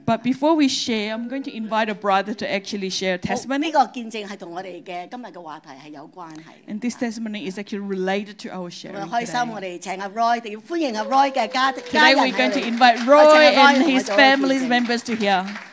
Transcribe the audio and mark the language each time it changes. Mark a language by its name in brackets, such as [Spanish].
[English] But before we share, I'm going to invite a brother to actually share a testimony. [Cantonese] 呢个见证系同我哋嘅今日嘅话题系有关系。 [English] And this testimony is actually related to our sharing. [Cantonese] 我开心，我哋请阿 Roy， 要欢迎阿 Roy 嘅家人。 [English] Today we're going to invite Roy and his family members to hear.